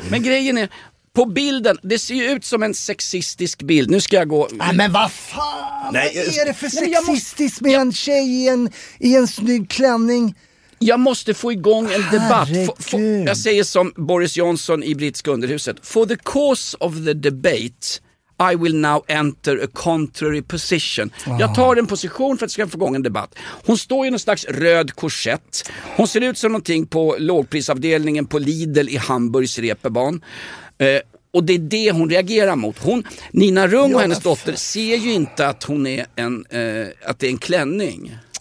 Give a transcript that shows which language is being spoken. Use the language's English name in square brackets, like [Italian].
[Swedish] Men grejen är, på bilden, det ser ju ut som en sexistisk bild. Nu ska jag gå... Nej, men vad fan? Nej, vad är det för sexistiskt med en tjej i en snygg klänning? Jag måste få igång en debatt. Jag säger som Boris Johnson i brittiska underhuset. [English] For the cause of the debate, I will now enter a contrary position. Wow. [Swedish] Jag tar en position för att jag ska få igång en debatt. Hon står i någon slags röd korsett. Hon ser ut som någonting på lågprisavdelningen på Lidl i Hamburgs repeban. Och det är det hon reagerar mot. Nina Rung och hennes dotter ser ju inte att hon är att det är en klänning.